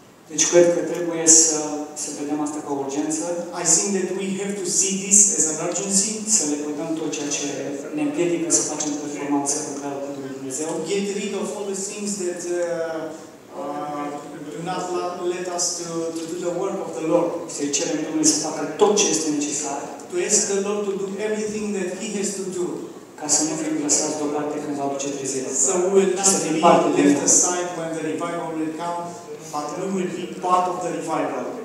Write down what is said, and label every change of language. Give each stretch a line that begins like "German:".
Romanian: Deci cred că trebuie să vedem asta ca o urgență.
English: I think that we have to see this as an urgency.
Romanian: Să le putem tot ceea ce ne împiedică să facem performanță cu care cu Dumnezeu.
English: Get rid of all the things that do not let us to do the work of the Lord.
Romanian: Să-i cerem Domnului să facă tot ce este necesar.
English: To ask the Lord to do everything that He has to do.
Romanian: Ca să nu fim lăsați deoparte când va duce trezirea.
English: So we will not be left aside when the revival will come. But we will be part of the revival.